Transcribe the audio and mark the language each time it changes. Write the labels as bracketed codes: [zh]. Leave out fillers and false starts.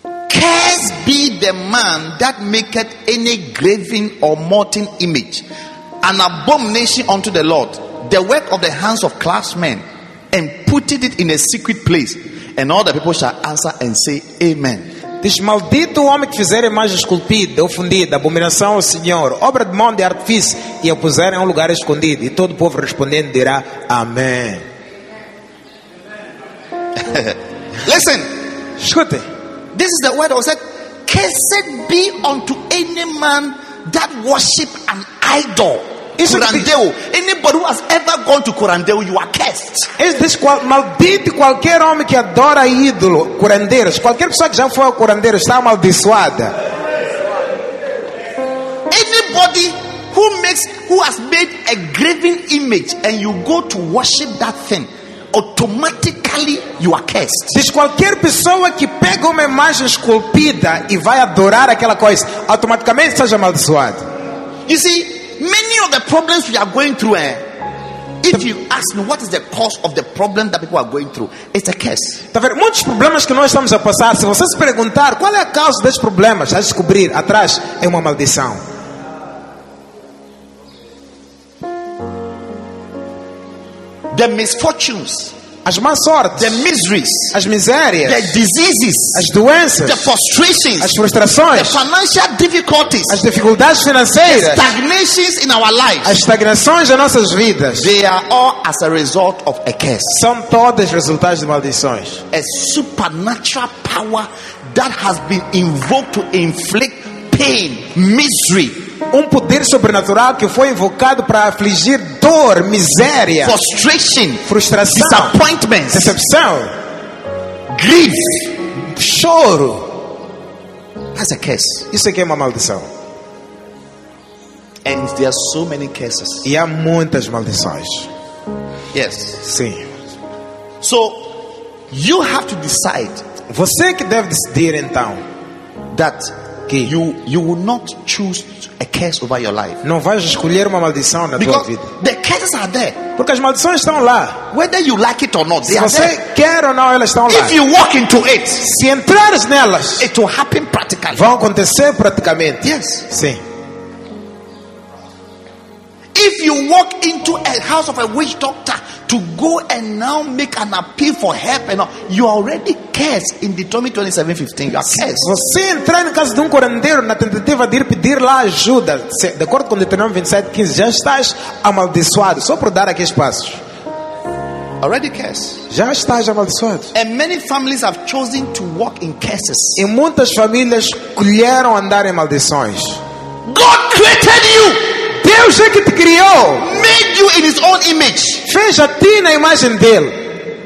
[en] Cursed be the man that maketh any graven or molten image, an abomination unto the Lord, the work of the hands of craftsmen, and putteth it in a secret place, and all the people shall answer and say, Amen. [pt] Diz, maldito o homem que fizer imagem esculpida ou fundida, abominação ao Senhor, obra de mão de artifício, e a puser em um lugar escondido. E todo o povo respondendo dirá, Amém. [en] Listen. [pt] Escute. [en] This is the word that was said. Cursed be unto any man that worship an idol. Curandeu. Anybody who has ever gone to curandeu, you are cursed. [pt] Maldito qualquer homem que adora ídolo, curandeiros. Qualquer pessoa que já foi ao curandeiro está amaldiçoada. [en] Anybody who has made a graven image and you go to worship that thing, automatically you are cursed. [pt] Diz qualquer pessoa que pega uma imagem esculpida e vai adorar aquela coisa, automaticamente seja amaldiçoado. [en] You see, many of the problems we are going through, if you ask me what is the cause of the problem that people are going through, it's a curse. [pt] Tá vendo? Muitos problemas que nós estamos a passar, se você se perguntar qual é a causa desses problemas, vai descobrir atrás é uma maldição. [en] The misfortunes, [pt] as más sortes, [en] the miseries, [pt] as misérias, [en] the diseases, [pt] as doenças, [en] the frustrations, [pt] as frustrações, [en] the financial difficulties, [pt] as dificuldades financeiras, [en] the stagnations in our lives, [pt] as estagnações das nossas vidas, [en] they are all as a result of a curse. [pt] São todos resultados de maldições. [en] A supernatural power that has been invoked to inflict pain, misery. [pt] Um poder sobrenatural que foi invocado para afligir dor, miséria, [en] frustration, [pt] frustração, [en] disappointments, [pt] decepção, [en] grief, [pt] choro. [en] That's a curse. [pt] Isso aqui é uma maldição. [en] And there are so many curses. [pt] E há muitas maldições. [en] Yes. [pt] Sim. [en] So you have to decide. [pt] Você que deve decidir então [en] that you will not choose a curse over your life. [pt] Não vais escolher uma maldição na [en] because [pt] tua vida. [en] The curses are there. [pt] Porque as maldições estão lá. [en] Whether you like it or not, they [pt] se [en] are [pt] você [en] there. [pt] Quer ou não, elas estão [en] if [pt] lá. [en] If you walk into it, [pt] se entrares nelas, [en] it will happen practically. [pt] Vão acontecer praticamente. [en] Yes. [pt] Sim. [en] If you walk into a house of a witch doctor to go and now make an appeal for help, and all, you are already cursed in Deuteronomy 27:15. You are cursed. [pt] Você entrar na casa de curandeiro na tentativa de ir pedir lá ajuda, de acordo com Deuteronomy 27:15, já estás amaldiçoado só por dar aqueles passos. [en] Already cursed. [pt] Já estás amaldiçoado. [en] And many families have chosen to walk in curses. [pt] E muitas famílias escolheram andar em maldições. [en] God created you. [pt] Deus é que te criou. [en] Made you in his own image. [pt] Fez a ti na imagem dele.